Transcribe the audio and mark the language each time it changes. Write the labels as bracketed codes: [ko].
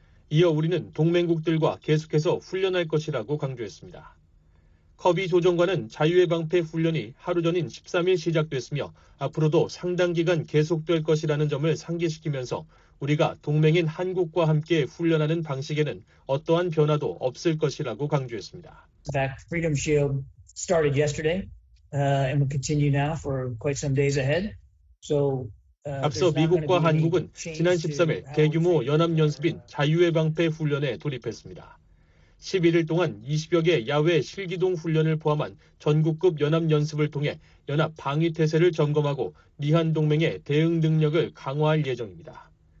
[ko] 이어 우리는 동맹국들과 계속해서 훈련할 것이라고 강조했습니다. 커비 조정관은 자유의 방패 훈련이 하루 전인 13일 시작됐으며 앞으로도 상당 기간 계속될 것이라는 점을 상기시키면서 우리가 동맹인 한국과 함께 훈련하는 방식에는 어떠한 변화도 없을 것이라고 강조했습니다. [en] That Freedom Shield started yesterday and will continue now for quite some days ahead. So [ko] 앞서 미국과 한국은 지난 13일 대규모 연합 연습인 자유의 방패 훈련에 돌입했습니다. 11일 동안 20여 개 야외 실기동 훈련을 포함한 전국급 연합연습을 통해 연합 방위태세를 점검하고 미한동맹의 대응 능력을 강화할 예정입니다.